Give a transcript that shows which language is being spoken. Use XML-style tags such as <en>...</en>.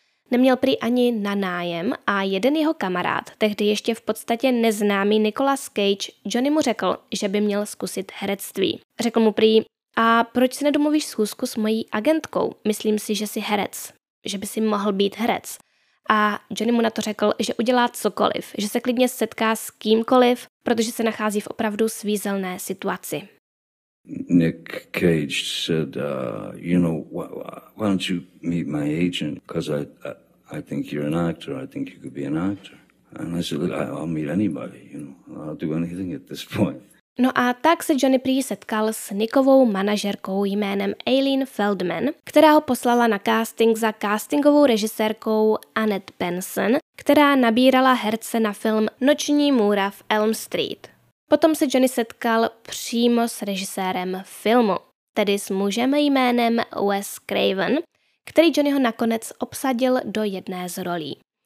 <cs>Neměl prý ani na nájem a jeden jeho kamarád, tehdy ještě v podstatě neznámý Nicolas Cage, Johnny mu řekl, že by měl zkusit herectví. Řekl mu prý, a proč si nedomluvíš schůzku s mojí agentkou? Myslím si, že jsi herec, že by si mohl být herec. A Johnny mu na to řekl, že udělá cokoliv, že se klidně setká s kýmkoliv, protože se nachází v opravdu svízelné situaci.</cs> <en>Nick Cage said, you know, why don't you meet my agent? Because I think you're an actor. I think you could be an actor. And I said, I'll meet anybody. You know, I'll do anything at this point.</en> <cs>No a tak se Johnny prý setkal s Nickovou manažerkou jménem Aileen Feldman, která ho poslala na casting za castingovou režisérkou Annette Benson, která nabírala herce na film Noční můra v Elm Street. Potom se Johnny setkal přímo s režisérem filmu, tedy s mužem jménem Wes Craven, který Johnny ho nakonec obsadil do jedné z rolí.</cs>